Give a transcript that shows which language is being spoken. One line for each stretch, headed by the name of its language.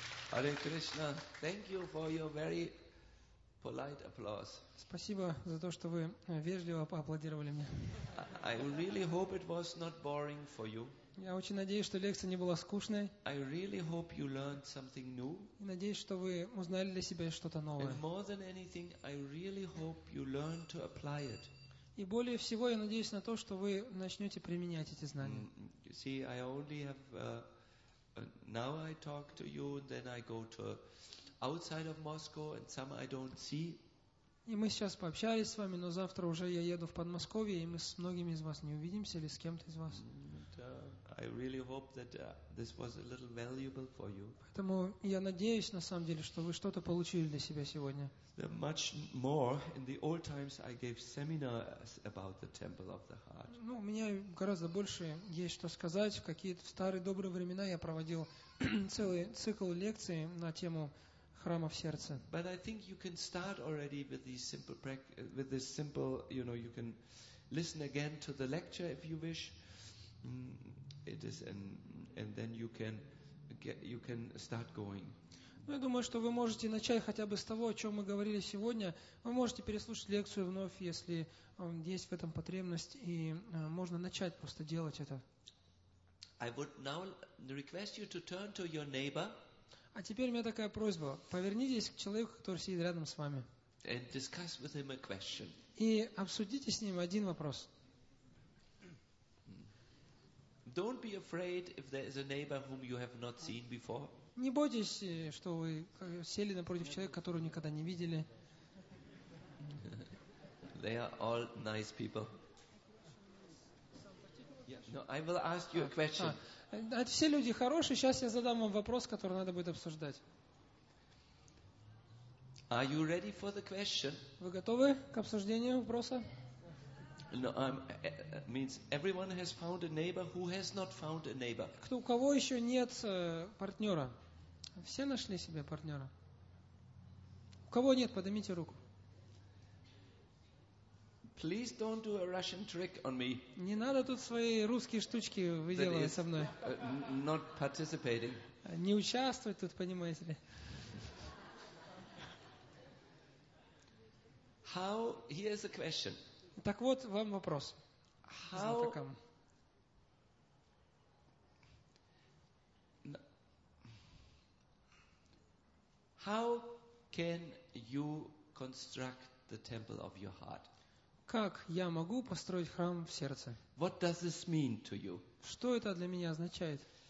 English: Hare Krishna, thank you for your very polite applause.
Russian: Спасибо за то, что вы вежливо поаплодировали мне.
English: I really hope it was not boring for you.
Russian: Я очень надеюсь, что лекция не была скучной.
English: I really hope you learned something new.
Russian: И надеюсь, что вы узнали для себя что-то новое.
English: And more than anything, I really hope you learn to apply it.
Russian: И более всего я надеюсь на то, что вы начнете применять эти знания.
English: You see, I only have now I talk to you, then I go to outside of Moscow, and some I don't see.
Russian: И мы сейчас пообщались с вами, но завтра уже я еду в Подмосковье, и мы с многими из вас не увидимся или с кем-то из вас.
English: I really hope that this was a little valuable for you.
Russian: Поэтому я надеюсь на самом деле, что вы что-то получили для себя сегодня.
English: Much more in the old times I gave seminars about the temple of the heart.
Russian: Ну, у меня гораздо больше есть что сказать. В какие-то старые добрые времена я проводил целый цикл лекций на тему храма в сердце.
English: But I think you can start already with these simple you know, you can listen again to the lecture if you wish. It is and then you can get, you can start going.
Russian: Ну, я думаю, что вы можете начать хотя бы с того, о чем мы говорили сегодня. Вы можете переслушать лекцию вновь, если есть в этом потребность, и можно начать просто делать это.
English: I would now request you to turn to your neighbor.
Russian: А теперь у меня такая просьба. Повернитесь к человеку, который сидит рядом с вами.
English: And discuss with him a question.
Russian: И обсудите с ним один вопрос.
English: Don't be afraid if there is a neighbor whom you have not seen before.
Russian: Не бойтесь, что вы сели напротив человека, которого никогда не видели.
English: They are all nice people. No, I will ask you a question.
Russian: Это все люди хорошие. Сейчас я задам вам вопрос, который надо будет обсуждать.
English: Are you ready for the question?
Russian: Вы готовы к обсуждению вопроса?
English: No, means everyone has found a neighbor who has not found a neighbor.
Russian: Кто у кого еще нет партнера? Все нашли себе партнера? У кого нет, поднимите руку.
English: Please don't do a Russian trick on me.
Russian: Не надо тут свои русские штучки выделывать со мной.
English: Not participating.
Russian: Не участвовать тут, понимаете ли?
English: How? Here's a question.
Russian: Так вот вам вопрос.
English: How? How can you construct the temple of your heart?
Russian: Как я могу построить храм в сердце?
English: What does this mean to you?
Russian: Что это для меня означает?